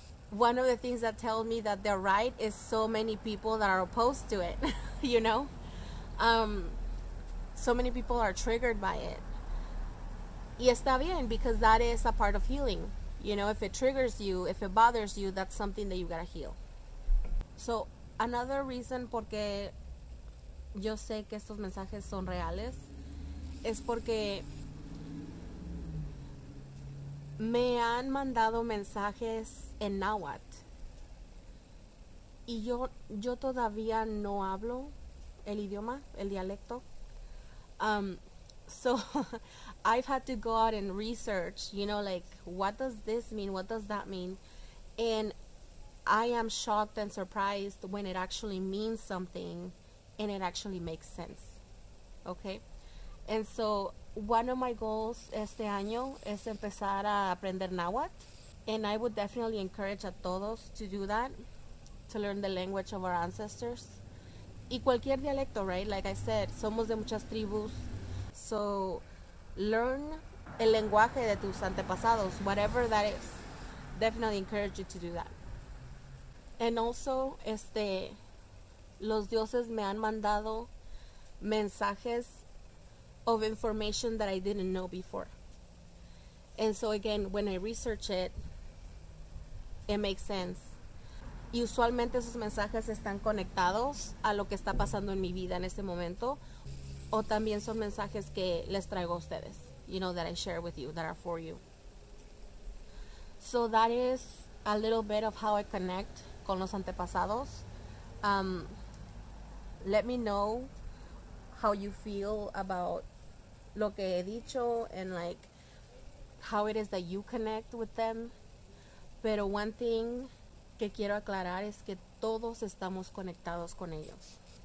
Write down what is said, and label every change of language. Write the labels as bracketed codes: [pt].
[en] one of the things that tells me that they're right is so many people that are opposed to it, you know? So many people are triggered by it. [es] Y está bien, [en] because that is a part of healing. You know, if it triggers you, if it bothers you, that's something that you gotta heal. So, another reason [es] porque yo sé que estos mensajes son reales es porque me han mandado mensajes en náhuatl. Y yo todavía no hablo el idioma, el dialecto. [en] So I've had to go out and research, you know, like, what does this mean? What does that mean? And I am shocked and surprised when it actually means something and it actually makes sense. Okay? And so one of my goals [es] este año es empezar a aprender náhuatl. [en] And I would definitely encourage [es] a todos [en] to do that, to learn the language of our ancestors. [es] Y cualquier dialecto, [en] right? Like I said, [es] somos de muchas tribus. [en] So learn [es] el lenguaje de tus antepasados, [en] whatever that is. Definitely encourage you to do that. And also, [es] los dioses me han mandado mensajes [en] of information that I didn't know before. And so again, when I research it, it makes sense. [es] Y usualmente esos mensajes están conectados a lo que está pasando en mi vida en este momento. O también son mensajes que les traigo a ustedes, [en] you know, that I share with you, that are for you. So that is a little bit of how I connect [es] con los antepasados. [en] Let me know how you feel about [es] lo que he dicho [en] and like how it is that you connect with them. [es] Pero [en] one thing [es] que quiero aclarar es que todos estamos conectados con ellos.